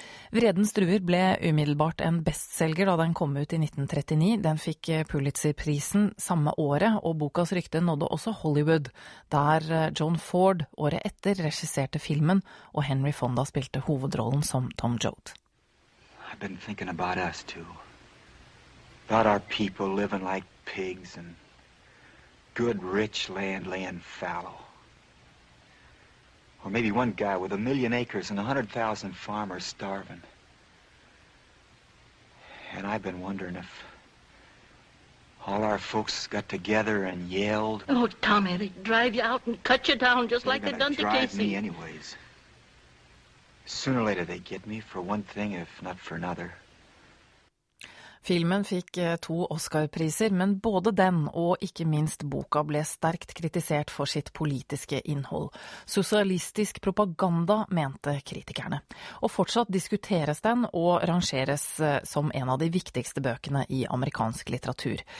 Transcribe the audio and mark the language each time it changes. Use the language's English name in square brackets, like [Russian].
[Norwegian] Vredens druer ble umiddelbart en bestselger da den kom ut i 1939. Den fikk Pulitzer-prisen samme året, og bokas rykte nådde også Hollywood, der John Ford året etter regisserte filmen, og Henry Fonda spilte hovedrollen som Tom Joad. [English] I've been thinking about us too. About our people living like pigs and good rich land laying fallow. Or maybe one guy with a million acres and 100,000 farmers starving. And I've been wondering if all our folks got together and yelled. Oh, Tommy, they'd drive you out and cut you down just like they done to Casey. They're gonna drive me anyways. Sooner or later they get me for one thing, if not for another. [Norwegian] Filmen fikk to Oscar-priser, men både den og ikke minst boka ble sterkt kritisert for sitt politiske innhold. Sosialistisk propaganda, mente kritikerne. Og fortsatt diskuteres den og rangeres som en av de viktigste bøkene i amerikansk litteratur.